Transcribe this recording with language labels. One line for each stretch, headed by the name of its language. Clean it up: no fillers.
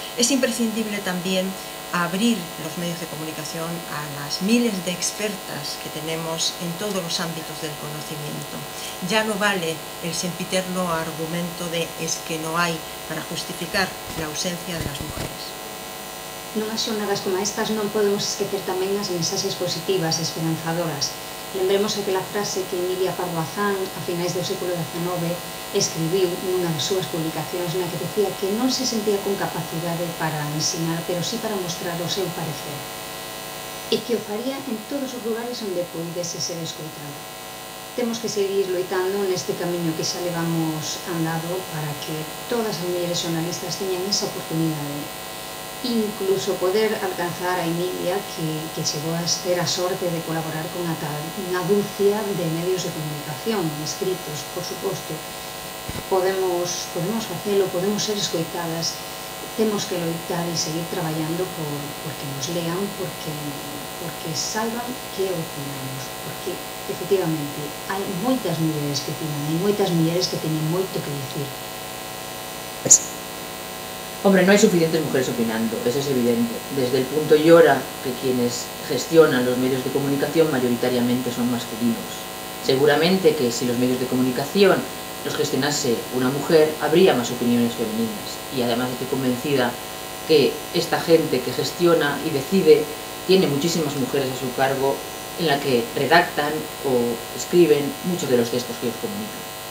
Spanish: Es imprescindible también abrir los medios de comunicación a las miles de expertas que tenemos en todos los ámbitos del conocimiento. Ya no vale el sempiterno argumento de es que no hay, para justificar la ausencia de las mujeres.
Galician: Nunhas xornadas como estas non podemos esquecer tamén as mensaxes positivas e esperanzadoras. Lembremos aquela frase que Emilia Pardo Bazán, a finais do século XIX, escribiu nunha das súas publicacións na que decía que non se sentía con capacidade para ensinar, pero sí para mostrar o seu parecer, e que o faría en todos os lugares onde poidese ser escoitado. Temos que seguir loitando neste camiño que xa levamos andado para que todas as mulleres xornalistas teñan esa oportunidade, incluso poder alcanzar a Emilia, que chegou a ter a sorte de colaborar con a tal Nadúcia de medios de comunicación, escritos, por suposto. Podemos facelo, podemos ser escoitadas, temos que loitar e seguir traballando porque nos lean, porque saiban que opinamos, porque efectivamente hai moitas mulleres que opinan, hai moitas mulleres que teñen moito que dicir. Hombre, non hai suficientes mulleres opinando, eso é evidente.
Spanish: Desde o punto y hora que quienes gestionan os medios de comunicación mayoritariamente son masculinos. Seguramente que si os medios de comunicación los gestionase una mujer, habría más opiniones femeninas. Y además estoy convencida que esta gente que gestiona y decide tiene muchísimas mujeres a su cargo en la que redactan o escriben muchos de los textos que ellos comunican.